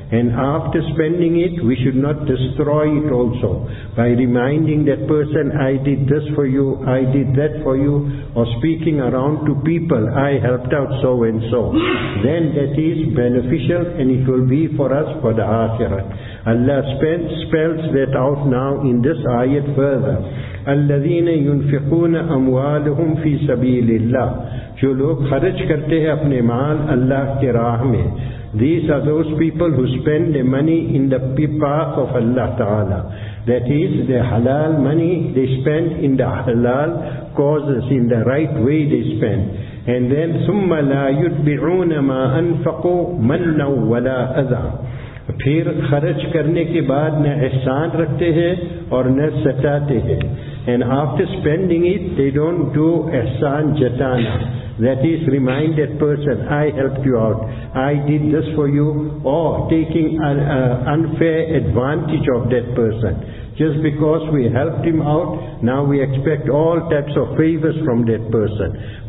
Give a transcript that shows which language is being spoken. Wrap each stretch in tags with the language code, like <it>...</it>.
<en>And after spending it, we should not destroy it also by reminding that person, I did this for you, I did that for you, or speaking around to people, I helped out so and so. Then that is beneficial, and it will be for us for the akhirah. Allah spells that out now in this ayat further.</en> <ar>الَّذِينَ يُنفِقُونَ أَمْوَالُهُمْ فِي سَبِيلِ اللَّهِ.</ar> <ur>جو لوگ خرچ کرتے ہیں اپنے مال اللہ کے راہ میں.</ur> <en>These are those people who spend their money in the path of Allah Ta'ala. That is, their halal money they spend in the halal causes, in the right way they spend. And then,</en> <ar>ثُمَّ لَا يُتْبِعُونَ مَا أَنفَقُوا مَنَّا وَلَا أَذَا.</ar> <ur>پھر خرچ کرنے کے بعد نہ احسان رکھتے ہیں اور نہ ستاتے ہیں.</ur> <en>And after spending it, they don't do</en> <ur>ihsan jatana.</ur> <en>That is, remind that person, I helped you out, I did this for you, or taking an unfair advantage of that person. Just because we helped him out, now we expect all types of favors from that person.</en>